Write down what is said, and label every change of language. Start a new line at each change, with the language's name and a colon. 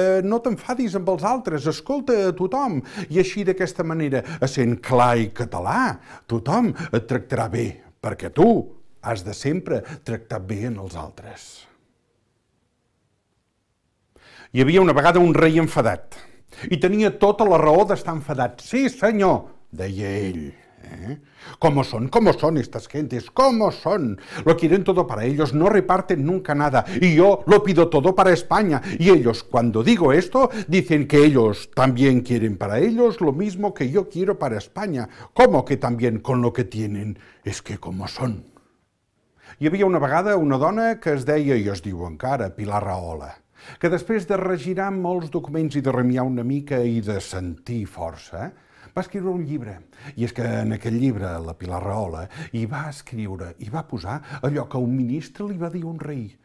Catalan: no t'enfadis amb els altres, escolta a tothom, i així d'aquesta manera, sent clar i català, tothom et tractarà bé, perquè tu has de sempre tractar bé en els altres. Hi havia una vegada un rei enfadat i tenia tota la raó d'estar enfadat. Sí, senyor, deia ell.
Spanish: Como son estas gentes, como son. Lo quieren todo para ellos, no reparten nunca nada. Y yo lo pido todo para España. Y ellos, cuando digo esto, dicen que ellos también quieren para ellos lo mismo que yo quiero para España. ¿Cómo que también con lo que tienen? Es que como son.
Catalan: Hi havia una vegada una dona que es deia, i es diu encara, Pilar Rahola, que després de regirar molts documents i de remiar una mica i de sentir força, va escriure un llibre. I és que en aquell llibre, la Pilar Rahola, hi va escriure, i va posar allò que un ministre li va dir a un rei.